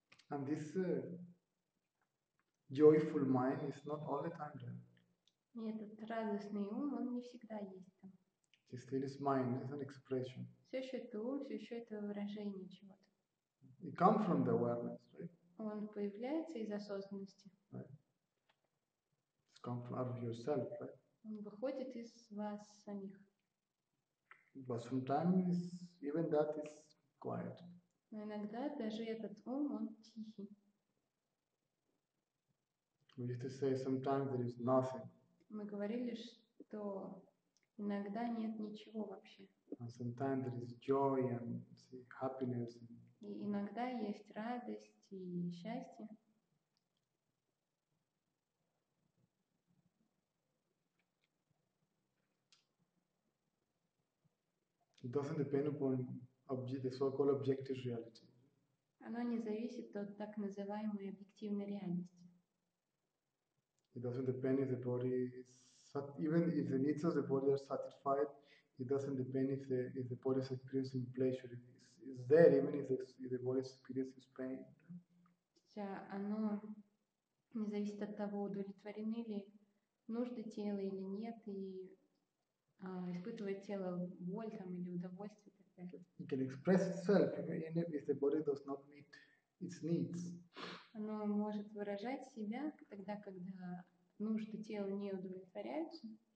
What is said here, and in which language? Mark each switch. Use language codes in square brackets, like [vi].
[en] And this joyful mind is not all the time there. [ru] Нет, этот радостный ум, он не всегда есть там. [en] It still is mind, it's an expression. [ru] Все еще это ум, все еще это выражение чего-то. [en] It comes from the awareness, right? [ru] Он появляется из осознанности. [en] Right. It comes out of yourself, right? [ru] Он выходит из вас самих. [en] But sometimes even that is quiet. [ru] Но иногда даже этот ум, он тихий. [en] We used to say sometimes there is nothing. [ru] Мы говорили, что иногда нет ничего вообще. [en] And sometimes there is joy and happiness. [ru] И иногда есть радость и счастье. [en] It doesn't depend upon the so-called objective reality. [ru] Оно не зависит от так называемой объективной реальности. [en] It doesn't depend if the body is even if the needs of the body are satisfied. It doesn't depend if the body is experiencing pleasure. It's there even if the body is experiencing pain. [ru] Оно не зависит от того, удовлетворены ли нужды тела или нет, и испытывает тело боль там или удовольствие и так далее. [en] It can express itself even if the body does not meet its needs. [ru] Оно может выражать себя тогда, когда нужды тела не удовлетворяются.